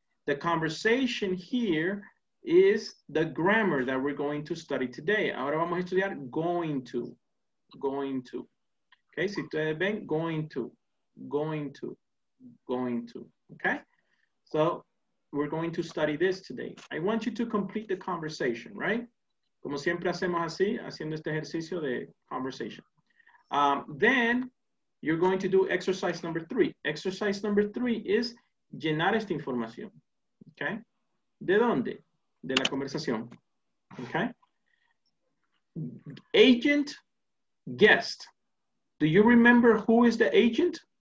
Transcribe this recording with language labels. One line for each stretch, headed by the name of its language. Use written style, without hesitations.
English: The conversation here is the grammar that we're going to study today.
Spanish: Ahora vamos a estudiar going to. Okay, si ustedes ven, going to, okay?
English: So we're going to study this today. I want you to complete the conversation, right?
Spanish: Como siempre hacemos así, haciendo este ejercicio de conversation.
English: Then you're going to do exercise number three. Exercise number three is
Spanish: llenar esta información, okay? ¿De dónde? De la conversación, okay?
English: Agent, guest. Do you remember who is the agent?